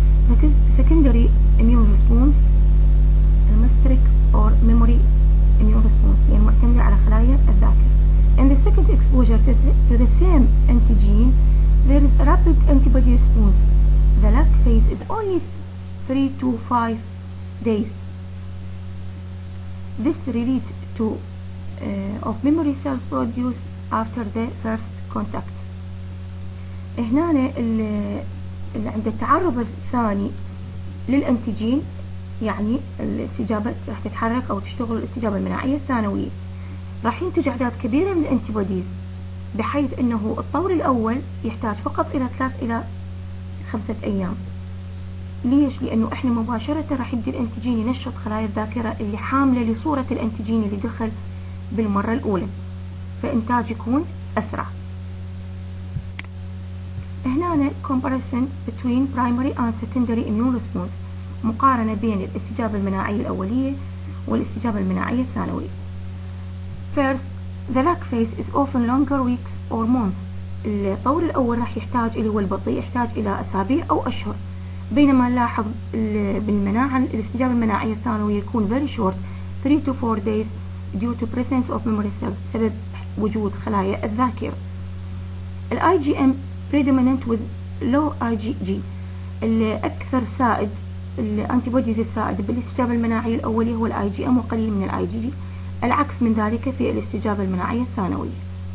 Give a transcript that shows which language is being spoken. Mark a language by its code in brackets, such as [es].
[ar] مركز [en] secondary immune response [ar] المستريك [en] or memory immune response، [ar] يعني معتمدة على خلايا الذاكرة. [en] And the second exposure to the same antigen there is rapid antibody response. The lag phase is only 3 to 5 days. This relates to of memory cells produced after the first contact. [ar] هنا اللي عند التعرض الثاني للأنتيجين، يعني الاستجابة راح تتحرك أو تشتغل الاستجابة المناعية الثانوية، راح ينتج أعداد كبيرة من الأنتيبوديز، بحيث أنه الطور الأول يحتاج فقط إلى 3 إلى 5 أيام. ليش؟ لأنه إحنا مباشرة راح يبدأ الأنتيجين ينشط خلايا الذاكرة اللي حاملة لصورة الأنتيجين اللي دخل بالمرة الأولى، فإنتاج يكون أسرع. هنا [en] comparison between primary and secondary immune response، [ar] مقارنة بين الاستجابة المناعية الأولية والاستجابة المناعية الثانوية. [en] First, the lag phase is often longer weeks or months. [ar] الطور الأول راح يحتاج اللي هو البطيء يحتاج إلى أسابيع أو أشهر، بينما نلاحظ بالمناعة الاستجابة المناعية الثانوية يكون [en] very short 3 to 4 days due to presence of memory cells، [ar] بسبب وجود خلايا الذاكرة. ال [en] IgM predominant with low IgG، [ar] الأكثر سائد الأنتيبوديز السائد بالاستجابة المناعية الأولية هو ال IgM وقليل من ال IgG، العكس من ذلك في الاستجابة المناعية الثانوية.